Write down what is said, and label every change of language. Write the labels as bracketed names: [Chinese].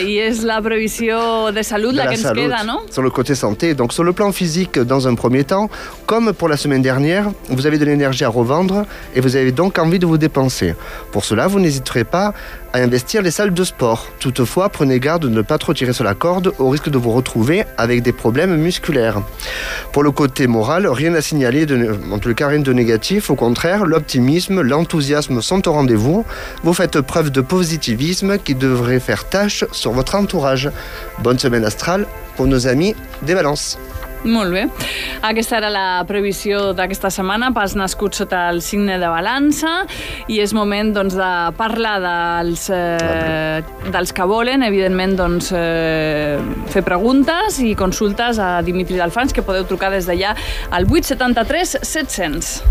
[Catalan] I és la previsió de salut la que ens queda, no? [French] Sur le côté santé. Donc, sur le plan physique, dans un premier temps, comme pour la semaine dernière, vous avez de l'énergie à revendre et vous avez donc envie de vous dépenser. Pour cela, vous n'hésiterez pas à investir les salles de sport. Toutefois, prenez garde de ne pas trop tirer sur la corde au risque de vous retrouver avec des problèmes musculaires. Pour le côté moral, rien à signaler, en tout cas rien de négatif. Au contraire, l'optimisme, l'enthousiasme sont au rendez-vous. Vous faites preuve de positivisme qui devrait faire tache sur votre entourage. Bonne semaine astrale pour nos amis des balances. [Catalan] Molt bé. Aquesta era la previsió d'aquesta setmana pels nascuts sota el signe de balança i és moment doncs, de parlar dels que volen, evidentment, doncs, fer preguntes i consultes a Dimitri Delfanys, que podeu trucar des d'allà al 873-700.